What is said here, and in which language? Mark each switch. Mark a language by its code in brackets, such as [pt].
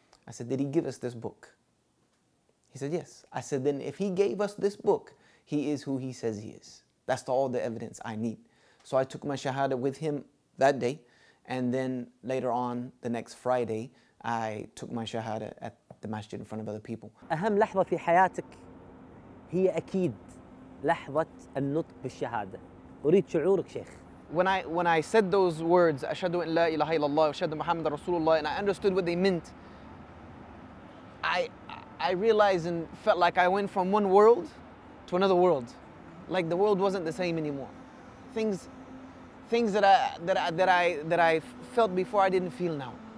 [en] I said, did he give us this book? He said, yes. I said, then if he gave us this book, he is who he says he is. That's all the evidence I need. So I took my shahada with him that day. And then later on, the next Friday, I took my shahada at the masjid in front of other people. [ar] أهم لحظة في حياتك هي أكيد لحظة النطق بالشهادة. أريد شعورك شيخ. [en] When I said those words, [ar] أشهد أن لا إله إلا الله وأشهد محمد رسول الله, [en] and I understood what they meant, I realized and felt like I went from one world to another world. Like the world wasn't the same anymore. Things that I felt before I didn't feel now.